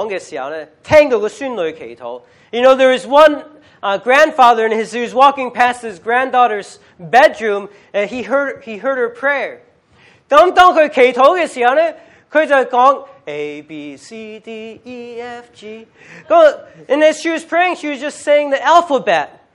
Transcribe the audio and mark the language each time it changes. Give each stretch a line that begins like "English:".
Cantonese: 有个公公呢，佢就经过佢孙女嘅房嘅时候呢，听到个孙女祈祷。
English: You know, there is one grandfather, and he was walking past his granddaughter's bedroom, and he heard her prayer.
Cantonese: 当佢祈祷嘅时候呢，佢就讲。
English: A, B, C, D, E, F, G. And as she was praying, she was just saying the alphabet.